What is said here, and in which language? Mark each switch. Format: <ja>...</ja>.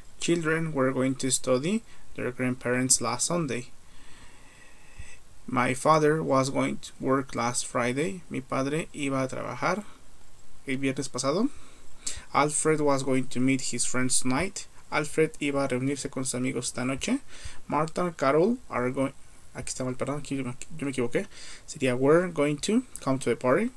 <en>Children were going to study their grandparents last Sunday. My father was going to work last Friday.</en> <es>Mi padre iba a trabajar el viernes pasado.</es> <en>Alfred was going to meet his friends tonight.</en> <es>Alfred iba a reunirse con sus amigos esta noche.</es> <en>Martha and Carol are going,</en> <es>Aquí está mal, perdón, aquí yo me equivoqué.</es> <en>Sería we're going to come to the party.</en>